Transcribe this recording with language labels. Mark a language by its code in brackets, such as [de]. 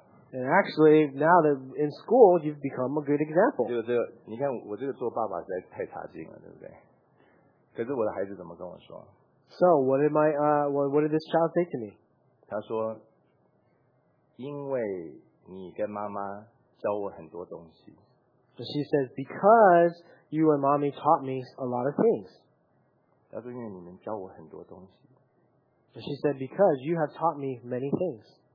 [en] And actually, now that in school, you've become a good example. [zh] 就这个,你看,我这个做爸爸实在太差劲了,对不对?可是我的孩子怎么跟我说? [en] So, what did my, what did this child say to me? [zh] 他说,因为你跟妈妈教我很多东西。 [en] So she says, because you and mommy taught me a lot of things. [zh] 他说,因为你们教我很多东西。 [en] So she said, because you have taught me many things.